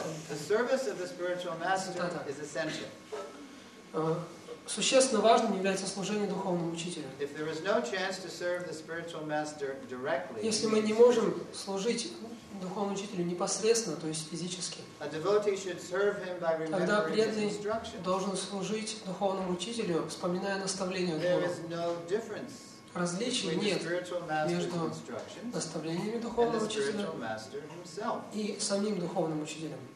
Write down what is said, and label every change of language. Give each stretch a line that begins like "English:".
English: The service of the spiritual master is essential.
Russian: Существенно важным является служение духовному учителю.
English: If there is no chance to serve the spiritual master directly,
Russian: если мы не можем служить духовному учителю непосредственно, то есть физически,
English: a devotee should serve him by remembering his instructions.
Russian: Тогда преданный должен служить духовному учителю, вспоминая наставления духовного.
English: There is no difference.
Russian: Различий нет между наставлениями духовного учителя и самим духовным учителем.